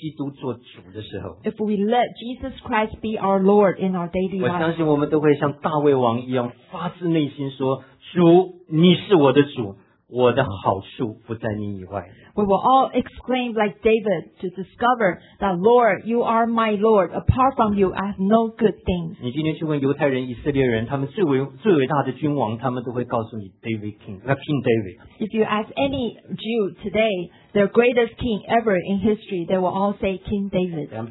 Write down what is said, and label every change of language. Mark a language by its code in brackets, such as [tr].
[zh] 当我们真在生活中让耶稣基督做主的时候， [en] If we let Jesus Christ be our Lord in our daily life, [zh] 我相信我们都会像大卫王一样发自内心说，主，你是我的主。我的好处不在你以外。 [en] We will all exclaim like David to discover that Lord, you are my Lord. Apart from you, I have no good things. [zh] 你今天去问犹太人、以色列人，他们最伟大的君王，他们都会告诉你 [en] David King, not King David. If you ask any Jew today, their greatest king ever in history, they will all say King David.